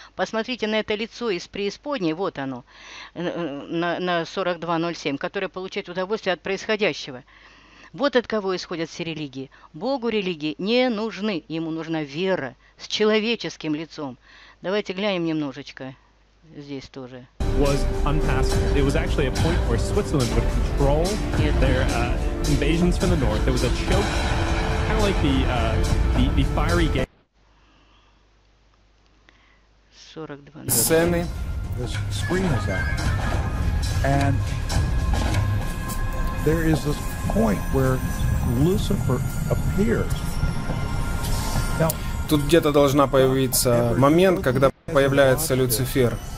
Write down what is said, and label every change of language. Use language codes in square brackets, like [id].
[ru] Посмотрите на это лицо из преисподней, вот оно, на 4207, которое получает удовольствие от происходящего. Вот от кого исходят все религии. Богу религии не нужны, ему нужна вера с человеческим лицом. Давайте глянем немножечко здесь тоже. [en] Was unpassable. It was actually a point where Switzerland would control their invasions from the north. There was a choke, kind of like the fiery gate. 42. Sammy, the screen is out, and there is this point where Lucifer appears. Now, [ru] тут где-то должна появиться момент, когда появляется Люцифер.